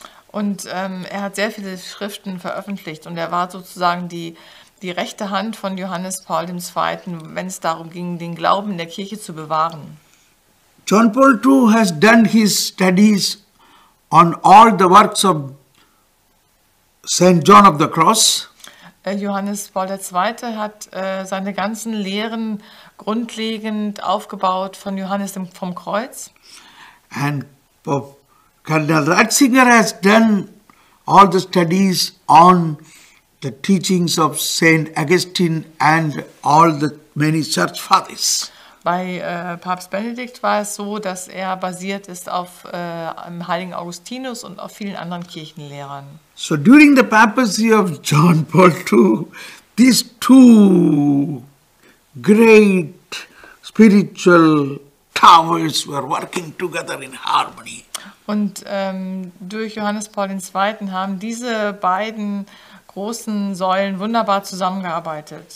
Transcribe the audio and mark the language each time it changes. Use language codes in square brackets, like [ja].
[de] Und er hat sehr viele Schriften veröffentlicht und er war sozusagen die rechte Hand von Johannes Paul II., wenn es darum ging, den Glauben in der Kirche zu bewahren. [en] John Paul II has done his studies on all the works of Saint John of the Cross. [de] Johannes Paul II. Hat seine ganzen Lehren grundlegend aufgebaut von Johannes vom Kreuz. [en] And Pope Cardinal Ratzinger has done all the studies on the teachings of Saint Augustine and all the many church fathers. [de] Bei Papst Benedikt war es so, dass er basiert ist auf dem heiligen Augustinus und auf vielen anderen Kirchenlehrern. [en] So during the papacy of John Paul II, these two great spiritual towers were working together in harmony. [de] Und durch Johannes Paul II. Haben diese beiden großen Säulen wunderbar zusammengearbeitet.